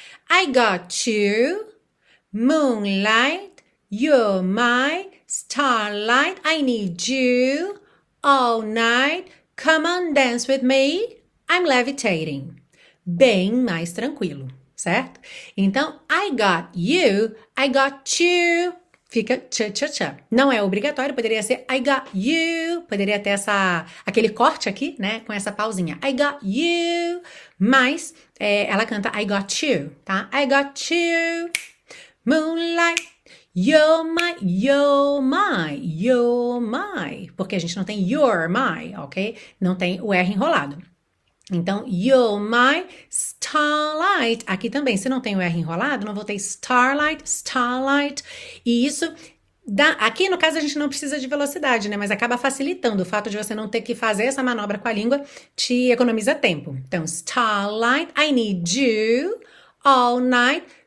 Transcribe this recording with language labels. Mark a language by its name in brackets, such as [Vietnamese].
[English] I got you, moonlight, you're my starlight, I need you all night, come on dance with me, I'm levitating. [Portuguese] Bem mais tranquilo, certo? Então, [English] I got you, I got you, [Portuguese] fica tcha-tcha-tcha. Não é obrigatório, poderia ser [English] I got you, [Portuguese] poderia ter aquele corte aqui, né, com essa pausinha. [English] I got you, [Portuguese] mas ela canta [English] I got you, [Portuguese] tá? [English] I got you, moonlight, you're my, [Portuguese] porque a gente não tem [English] you're my, ok? [Portuguese] Não tem o R enrolado. Então, [English] you're my starlight. [Portuguese] Aqui também, se não tem o R enrolado, não vou ter starlight. E isso dá. Aqui, no caso, a gente não precisa de velocidade, né? Mas acaba facilitando. O fato de você não ter que fazer essa manobra com a língua te economiza tempo. Então, [English] starlight, I need you all night.